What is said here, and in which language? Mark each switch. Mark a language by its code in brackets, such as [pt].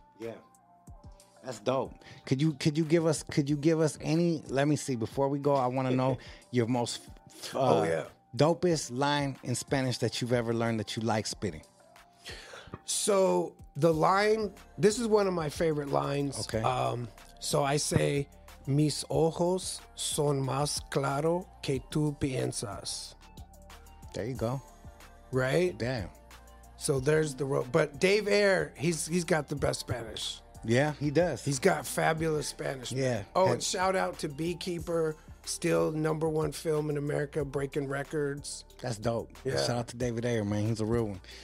[en] Yeah. That's dope. Could you give us any, let me see, before we go, I want to know your most dopest line in Spanish that you've ever learned that you like spitting. So the line, this is one of my favorite lines. Okay. [es] So I say, mis ojos son más claro que tú piensas. [en] There you go. Right? Damn. So there's the rope. But Dave Ayer, he's got the best Spanish. Yeah, he does. He's got fabulous Spanish. Yeah. Oh, and shout out to Beekeeper, still number one film in America, breaking records. That's dope. Yeah. Shout out to David Ayer, man. He's a real one.